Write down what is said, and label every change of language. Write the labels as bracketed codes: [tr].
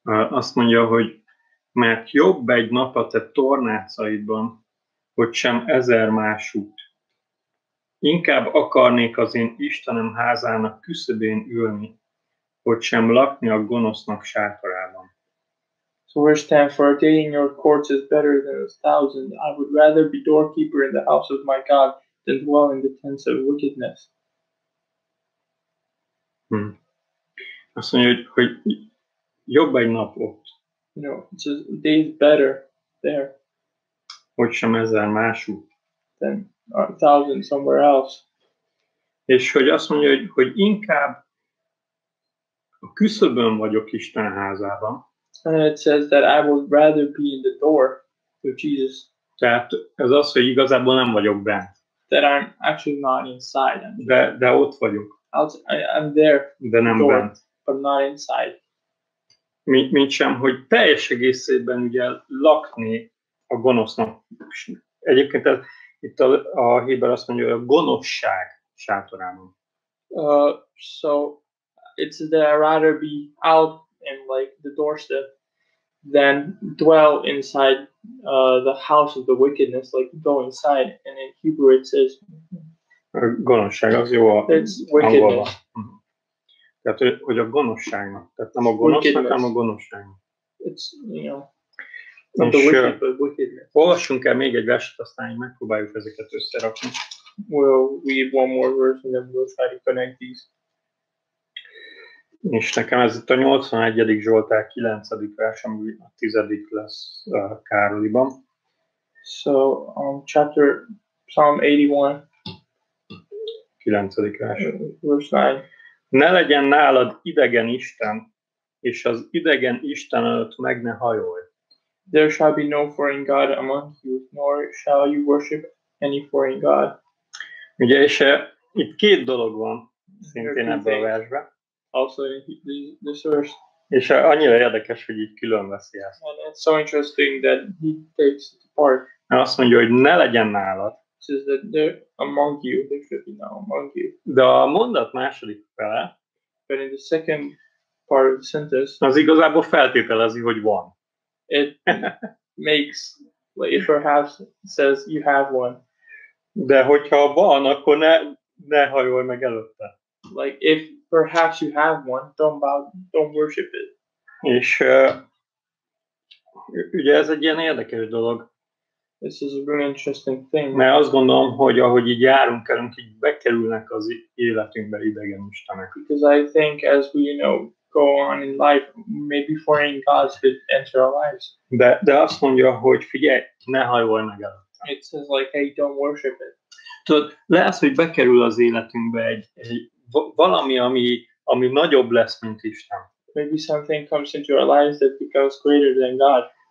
[hu] Azt mondja, hogy mert jobb egy nap a te tornácaidban, hogy sem ezer más út. Inkább akarnék az én Istenem házának küszöbén ülni, hogy sem lakni a gonosznak sátorában. [en] So verse 10, for a day in your courts is better than a thousand. I would rather be doorkeeper in the house of my God than dwell in the tents of wickedness. [hu] Azt mondja, hogy jobb egy nap ott. [en] You know, it's a day better there. [hu] Hogy sem ezer más út. [en] Than a thousand somewhere else. [hu] És hogy azt mondja, hogy inkább a küszöbön vagyok Isten házában. [en] And it says that I would rather be in the door of Jesus. [hu] Tehát ez az, hogy igazából nem vagyok bent. [en] That I'm actually not inside. [hu] De ott vagyok. [en] I'm there. [hu] De nem [en] door, [hu] bent. [en] But not inside. [hu] Mint sem, hogy teljes egészében ugye lakni a gonosznak. Egyébként itt a hírben azt mondja, hogy a gonoszság sátorában. [en] So it's that I'd rather be out in like the doorstep than dwell inside the house of the wickedness, like go inside. And in Hebrew it says [hu] a gonoszság az jó. [en] It's wickedness. [hu] Angolban. Tehát, hogy a gonoszságnak. Tehát nem a gonosznak, hanem a gonoszságnak. [en] It's, you know, not the wicked, but wickedness. [hu] Olvassunk el még egy verset, aztán megpróbáljuk ezeket összerakni. [en] We'll read one more verse, and then we'll try to connect these. [hu] És nekem ez itt a 81. Zsoltár 9. vers, ami a 10. lesz Károliban. [en] So, chapter, Psalm 81. [hu] 9. vers. [en] Verse 9. [hu] Ne legyen nálad idegen Isten, és az idegen Isten előtt meg ne hajolj. [en] There shall be no foreign God among you, nor shall you worship any foreign God. [hu] Ugye, és itt két dolog van, szintén ebben a versben. [en] Also in this verse. [hu] És annyira érdekes, hogy így külön veszi ezt. [en] And it's so interesting that he takes it apart. [hu] Mert azt mondja, hogy ne legyen nálad. [en] Says that they're among you, they should be now among you. [hu] De a mondat második fele, [en] but in the second part of the sentence, [hu] az igazából feltételezi, hogy van. [en] It makes, like it perhaps says you have one. [hu] De hogyha van, akkor ne hajolj meg előtte. [en] Like if perhaps you have one, don't worship it. [hu] És ugye ez egy ilyen érdekes dolog. [en] This is a very interesting thing. [hu] Mert azt gondolom, hogy ahogy így járunk, elünk, így bekerülnek az életünkbe idegen istenek. [en] Because I think as we, you know, go on in life, maybe foreign gods could enter our lives. [hu] De azt mondja, hogy figyelj, ne hajolj meg el. [en] It says like, hey, don't worship it. [hu] Tudod, lesz, hogy bekerül az életünkbe egy valami, ami nagyobb lesz, mint Isten. [en] Maybe something comes into our lives that becomes greater than God.